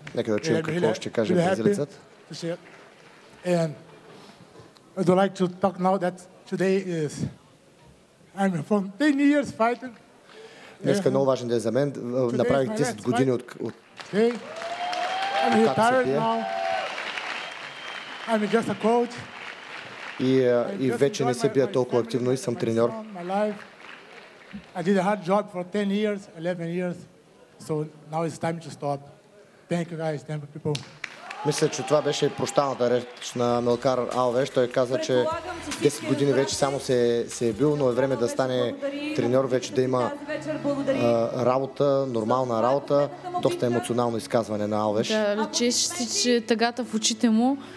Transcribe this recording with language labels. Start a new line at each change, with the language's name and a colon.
Bulgarian: Нека да чуем какво ще каже бразилецът.
English: And I'd like to talk now that today is I'm from 10 years fighting.
Bulgarian: Днеска е много важен ден за мен. Направих 10 години от
English: Okay. I'm retired now. I'm just a coach.
Bulgarian: И вече не се бия толкова активно и съм тренер.
English: I did a hard job for 10 years, 11 years. So now it's time to stop. Thank you guys, thank you people.
Bulgarian: Мисля, че това беше прощалната реч на Мелкар Алвеш. Той каза, че 10 години вече само се е бил, но е време да стане треньор, вече да има работа, нормална работа. Доста емоционално изказване на Алвеш. Да, лечеш си, че тъгата в очите му.